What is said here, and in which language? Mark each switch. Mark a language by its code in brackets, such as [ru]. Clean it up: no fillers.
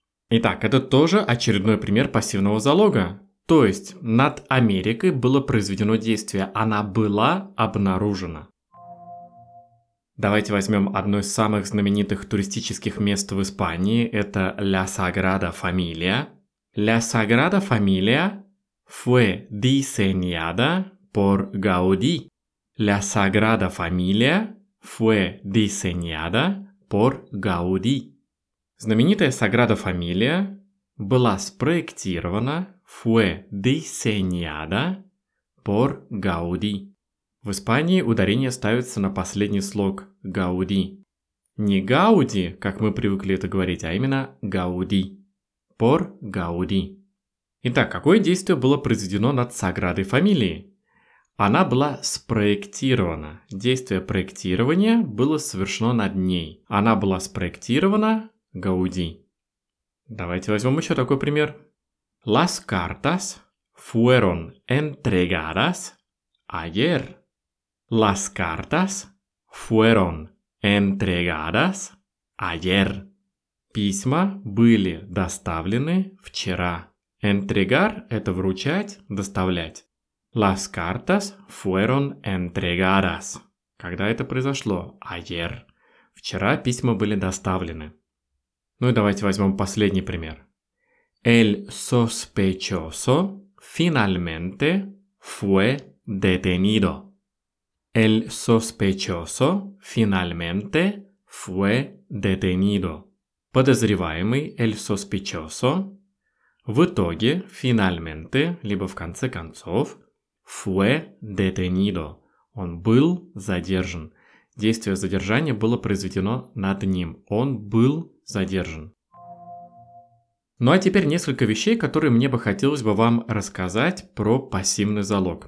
[ru] Итак, это тоже очередной пример пассивного залога. То есть над Америкой было произведено действие. Она была обнаружена. Давайте возьмем одно из самых знаменитых туристических мест в Испании. Это [es] La Sagrada Familia. La Sagrada Familia fue diseñada por Gaudí. La Sagrada Familia fue diseñada por Gaudí. [ru] Знаменитая Sagrada Familia была спроектирована, [es] fue diseñada por Gaudí. [ru] В Испании ударение ставится на последний слог «Гауди». Не «Гауди», как мы привыкли это говорить, а именно «Гауди». «Пор Гауди». Итак, какое действие было произведено над Саградой Фамилией? Она была спроектирована. Действие проектирования было совершено над ней. Она была спроектирована «Гауди». Давайте возьмем еще такой пример. [es] «Las cartas fueron entregadas ayer». Las cartas fueron entregadas ayer. [ru] Письма были доставлены вчера. Entregar – это вручать, доставлять. [es] Las cartas fueron entregadas. [ru] Когда это произошло? [es] Ayer. [ru] Вчера письма были доставлены. Ну и давайте возьмем последний пример. [es] El sospechoso finalmente fue detenido. El sospechoso finalmente fue detenido. [ru] Подозреваемый, [es] el sospechoso, [ru] в итоге, [es] finalmente, [ru] либо в конце концов, [es] fue detenido. [ru] Он был задержан. Действие задержания было произведено над ним. Он был задержан. Ну а теперь несколько вещей, которые мне бы хотелось бы вам рассказать про пассивный залог.